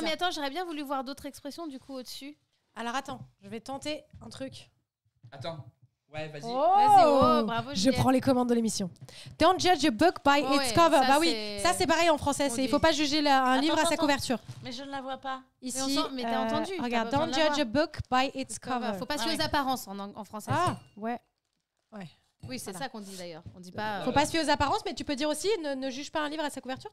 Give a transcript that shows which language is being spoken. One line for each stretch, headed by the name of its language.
French: Non, mais attends, j'aurais bien voulu voir d'autres expressions, du coup, au-dessus. Alors, attends, je vais tenter un truc. Attends. Ouais, vas-y. Oh, bravo, je prends les commandes de l'émission.
English: Don't judge a book by its cover.
French: Ça, bah oui, ça c'est pareil en français. Il ne faut pas juger un livre à sa couverture. Mais je ne la vois pas. Ici, mais t'as entendu. Regarde,
English: don't judge a book by its cover.
French: Il ne faut pas suivre les apparences en français. Ah, ouais. Ouais. Oui, c'est ça qu'on dit d'ailleurs. On dit pas. Faut pas suivre aux apparences, mais tu peux dire aussi ne juge pas un livre à sa couverture.